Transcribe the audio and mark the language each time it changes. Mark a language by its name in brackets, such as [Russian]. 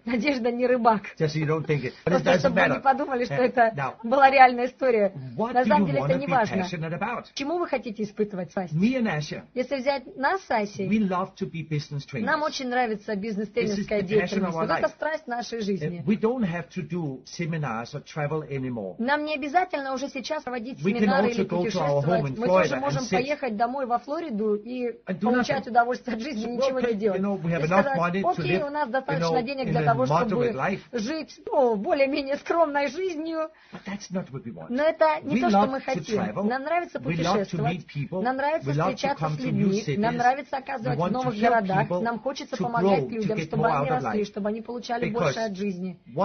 [Russian] Надежда не рыбак. [English] Just so you don't think it. [Russian] Просто [English] it doesn't [Russian] чтобы [English] matter. [Russian] Вы не подумали, что это была реальная история. [English] What [Russian] на самом деле, это не важно. К чему вы хотите испытывать страсть? Если взять нас с Асей, нам очень нравится бизнес-тренерская деятельность. Вот это страсть нашей жизни. [English] We don't have to do seminars or travel anymore. [Russian] Нам не обязательно уже сейчас проводить семинары или путешествовать. Мы тоже можем поехать домой во Флориду и получать удовольствие от жизни, ничего не делать. И сказать, окей, у нас достаточно денег для того, чтобы жить более-менее скромной жизнью. Но это не то, что мы хотим. Нам нравится путешествовать, нам нравится встречаться с людьми, нам нравится оказывать в новых городах, нам хочется помогать людям, чтобы они росли, чтобы они получали больше от жизни.